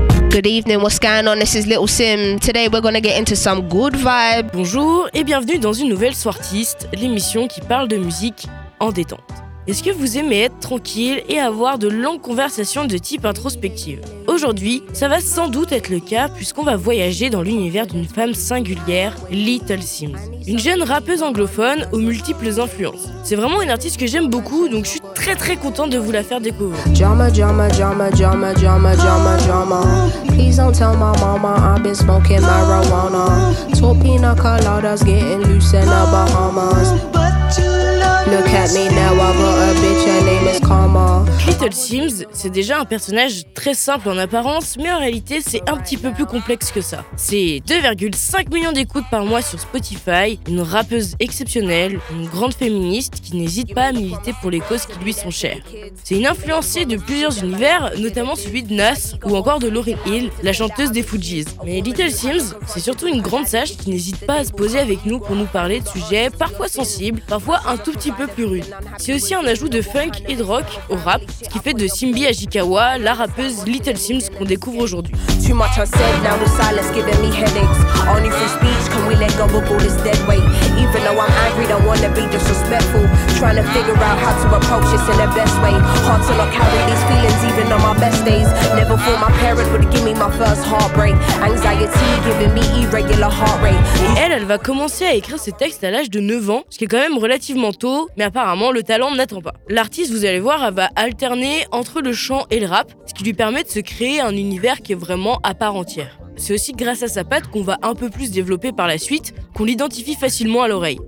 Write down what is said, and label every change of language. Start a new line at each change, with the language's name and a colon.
English: Good evening, what's going on? This is Little Sim. Today we're gonna get into some good vibes.
French: Bonjour et bienvenue dans une nouvelle Soirtiste, l'émission qui parle de musique en détente. Est-ce que vous aimez être tranquille et avoir de longues conversations de type introspective? Aujourd'hui, ça va sans doute être le cas puisqu'on va voyager dans l'univers d'une femme singulière, Little Simz. Une jeune rappeuse anglophone aux multiples influences. C'est vraiment une artiste que j'aime beaucoup, donc je suis très très contente de vous la faire découvrir. Jama, jama, jama, jama, jama, jama, jama.
English: Please don't tell my mama I've been smoking marijuana. Two pina coladas getting loose in the Bahamas. Look at me now, I got a bitch, her name is Karma.
French: Little Simz, c'est déjà un personnage très simple en apparence, mais en réalité, c'est un petit peu plus complexe que ça. C'est 2,5 millions d'écoutes par mois sur Spotify, une rappeuse exceptionnelle, une grande féministe qui n'hésite pas à militer pour les causes qui lui sont chères. C'est une influencée de plusieurs univers, notamment celui de Nas ou encore de Lauryn Hill, la chanteuse des Fugees. Mais Little Simz, c'est surtout une grande sage qui n'hésite pas à se poser avec nous pour nous parler de sujets parfois sensibles, parfois un tout petit peu plus rudes. C'est aussi un ajout de funk et de rock au rap, ce qui fait de Simbi Ajikawa la rappeuse Little Simz qu'on découvre aujourd'hui.
English: Too much unsaid, now the silence giving me headaches. Only through speech can we let go of all this dead weight. Even though I'm angry, don't wanna be disrespectful. Trying to figure out how to approach this in the best way. Hard to not carry these feelings even on my best days. Never thought my parents would give me my first heartbreak. Anxiety giving me irregular heart rate.
French: Et elle va commencer à écrire ses textes à l'âge de 9 ans, ce qui est quand même relativement tôt, mais apparemment le talent n'attend pas. L'artiste, vous allez voir, elle va alterner entre le chant et le rap, ce qui lui permet de se créer un univers qui est vraiment à part entière. C'est aussi grâce à sa patte qu'on va un peu plus développer par la suite, qu'on l'identifie facilement à l'oreille.